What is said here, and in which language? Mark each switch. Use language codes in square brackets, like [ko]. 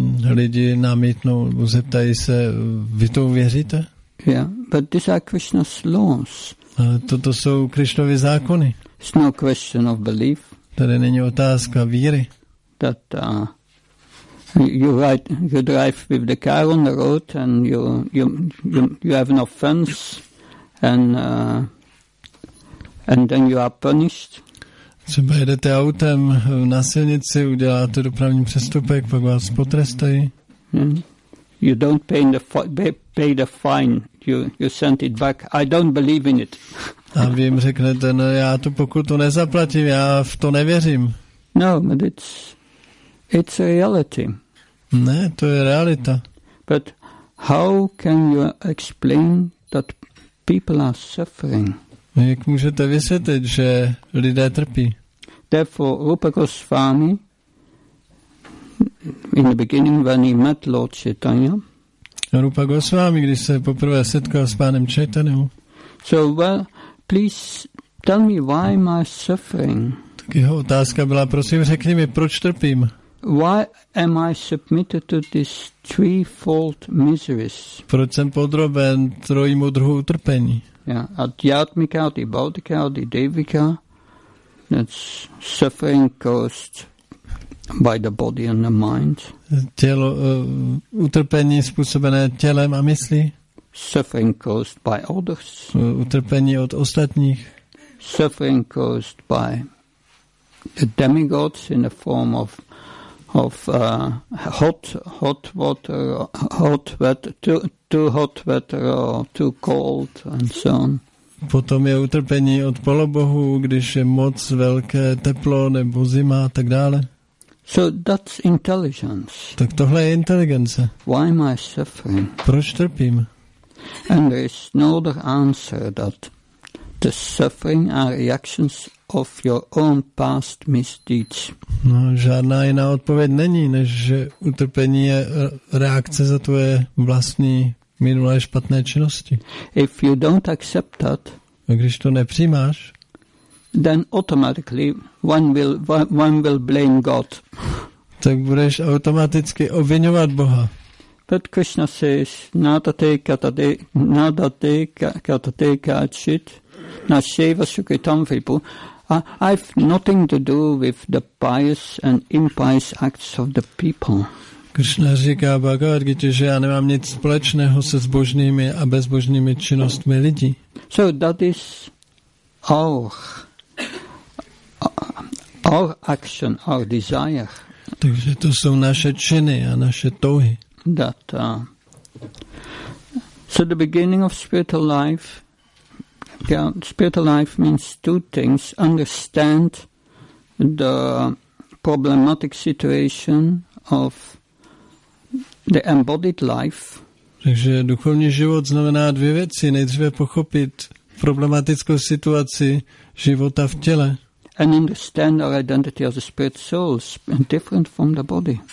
[cs] Lidi namítnou, zeptají se, vy to věříte? [en] Yeah, but these are Krishna's laws. [cs] Toto jsou Krishnovy zákony. [en] It's no question of belief. [cs] Tady není otázka víry. [en] That you drive with the car on the road and you have an offense and then you are punished. [cs] Třeba jedete autem na silnici, uděláte dopravní přestupek, pak vás potrestají. [en] You don't pay the fine. You send it back. I don't believe in it. [cs] A vy jim řeknete, no já tu pokutu nezaplatím, já v to nevěřím. [en] No, but it's a reality. [cs] Ne, to je realita. [en] But how can you explain that people are suffering? [cs] Jak můžete vysvětlit, že lidé trpí? [en] Therefore, Rupa Goswami, in the beginning, when he met Lord Chaitanya, [cs] Rupa Goswami, když se poprvé setkal s pánem Chaitanyou, [en] so, well, please tell me why am I suffering? [cs] Tak jeho otázka byla, prosím, řekni mi, proč trpím? [en] Why am I submitted to these threefold miseries? [cs] Proč jsem podroben trojímu druhu utrpení? [en] Yeah, adhyatmika, the bhautika, the devika, that's suffering caused by the body and the mind. [cs] Tělo, utrpení způsobené tělem a myslí. [en] Suffering caused by others. [cs] Utrpení od ostatních. [en] Suffering caused by the demigods in the form of hot water, hot weather, too hot weather or too cold and so on. [cs] Potom je utrpení od polobohu, když je moc velké teplo nebo zima a tak dále. [en] So that's intelligence. [cs] Tak tohle je inteligence. [en] Why am I suffering? [cs] Proč trpím? [en] And there is no other answer that the suffering are reactions of your own past misdeeds. [cs] No, žádná jiná odpověď není, než že utrpení je reakce za tvoje vlastní minulé špatné činnosti. [en] If you don't accept that, [cs] a když to nepřijímáš, [en] then automatically one will blame God. [cs] Tak budeš automaticky obviňovat Boha. [en] But Krishna says, [sa] nadate katate kachit, nasheva sukritam vipu. [en] I've nothing to do with the pious and impious acts of the people. [cs] Krishna říká Bhagavad Gita, že já nemám nic společného se zbožnými a bezbožnými činnostmi lidí. [en] So that is our action, our desire. [cs] Takže to jsou naše činy a naše touhy. [en] That so the beginning of spiritual life. Yeah, spiritual life means two things: understand the problematic situation of the embodied life. [cs] Takže duchovní život znamená dvě věci: nejdříve pochopit problematickou situaci života v těle. [en] and understand our identity as a spirit soul, different from the body.